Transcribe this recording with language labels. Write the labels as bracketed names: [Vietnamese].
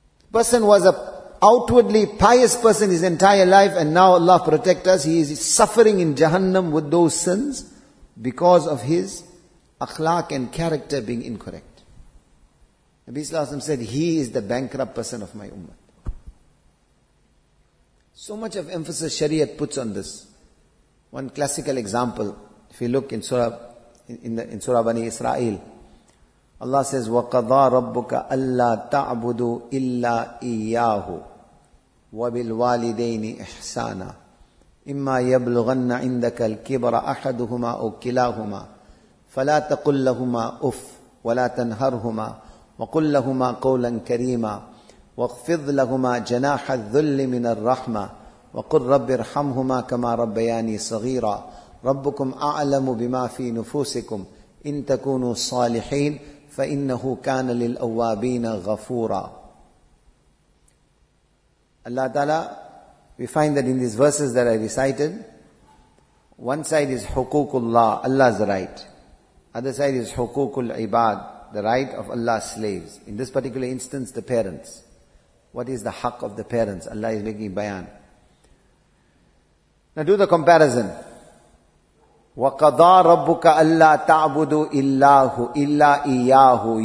[English] The person was a outwardly pious person his entire life, and now Allah protect us, he is suffering in Jahannam with those sins because of his akhlaq and character being incorrect. Nabi Sallallahu Alaihi Wasallam said, he is the bankrupt person of my ummah. So much of emphasis Sharia puts on this. One classical example, if you look in Surah Bani Israel, Allah says, [Arabic] وَقَضَى رَبُّكَ أَلَّا تَعْبُدُ إِلَّا إِيَّاهُ وَبِالْوَالِدَيْنِ إِحْسَانًا إِمَّا يَبْلُغَنَّ عِنْدَكَ الْكِبْرَ أَحَدُهُمَا أَوْ كِلَاهُمَا فَلَا تَقُلْ لَهُمَا أُفْ وَلَا تَنْهَرْهُمَا وَقُلْ لَهُمَا قَوْلًا كَرِيمًا وَاخْفِضْ لَهُمَا جَنَاحَ الذُّلِّ مِنَ الرَّحْمَةِ وَقُلْ رَبِّ ارْحَمْهُمَا كَمَا رَبَّيَانِي صَغِيرًا رَبُّكُمْ أَعْلَمُ بِمَا فِي نُفُوسِكُمْ إِن تَكُونُوا صَالِحِينَ فَإِنَّهُ كَانَ لِلْأَوَّابِينَ غَفُورًا [English] Allah Ta'ala, we find that in these verses that I recited, one side is حُقُوقُ اللَّهِ Allah's right. Other side is hukukul ibad, the right of Allah's slaves. In this particular instance, the parents. What is the haq of the parents? Allah is making bayan. Now do the comparison. [Arabic] وَقَضَى رَبُّكَ أَلَّا تَعْبُدُوا إِلَّهُ إِلَّا إِيَّاهُ.